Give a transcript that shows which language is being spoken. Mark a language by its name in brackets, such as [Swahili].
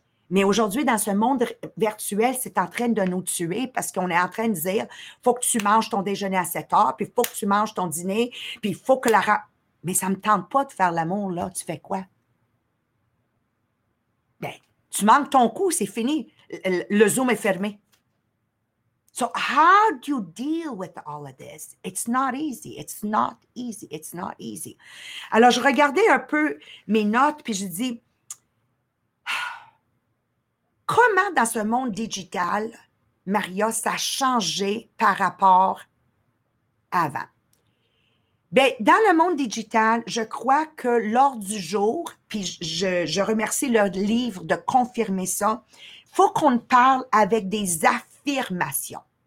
[French] Mais aujourd'hui, dans ce monde virtuel, c'est en train de nous tuer parce qu'on est en train de dire, faut que tu manges ton déjeuner à 7 heures, puis faut que tu manges ton dîner, puis faut que la... Mais ça ne me tente pas de faire l'amour, là. Tu fais quoi? Bien, tu manques ton coup, c'est fini. Le Zoom est fermé. [English] So, how do you deal with all of this? It's not easy. It's not easy. It's not easy. [French] Alors, je regardais un peu mes notes, puis je dis, comment dans ce monde digital, Maria, ça a changé par rapport à avant? Bien, dans le monde digital, je crois que l'ordre du jour, puis je remercie le livre de confirmer ça, faut qu'on parle avec des affirmations.